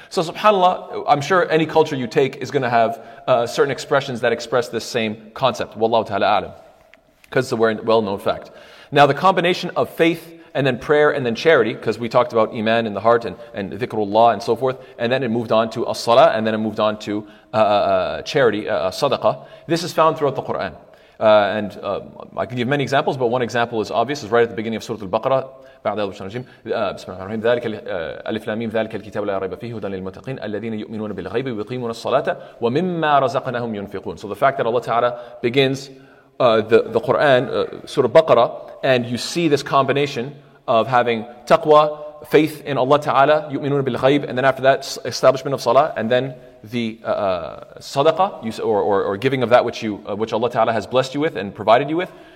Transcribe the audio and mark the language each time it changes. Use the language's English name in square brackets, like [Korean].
[English] So subhanAllah, I'm sure any culture you take is going to have certain expressions that express this same concept. Wallahu ta'ala alam. Because it's a well-known fact. Now the combination of faith and then prayer, and then charity, because we talked about iman in the heart, and dhikrullah and so forth, and then it moved on to as-salah, and then it moved on to charity, sadaqah. This is found throughout the Qur'an. I can give many examples, but one example is obvious, is right at the beginning of Surah Al-Baqarah, [Arabic] بعد الله الرحمن الرحيم بسم الله الرحمن الرحيم ذلك الف لام ميم ذلك الكتاب لا ريب فيه هدى للمتقين الذين يؤمنون بالغيب ويقيمون الصلاة ومما رزقناهم ينفقون. [English] So the fact that Allah Ta'ala begins the Qur'an, Surah Baqarah, and you see this combination of having taqwa, faith in Allah Ta'ala, yu'minuna bil ghaib, and then after that, establishment of salah, and then the sadaqah, or giving of that which Allah Ta'ala has blessed you with and provided you with.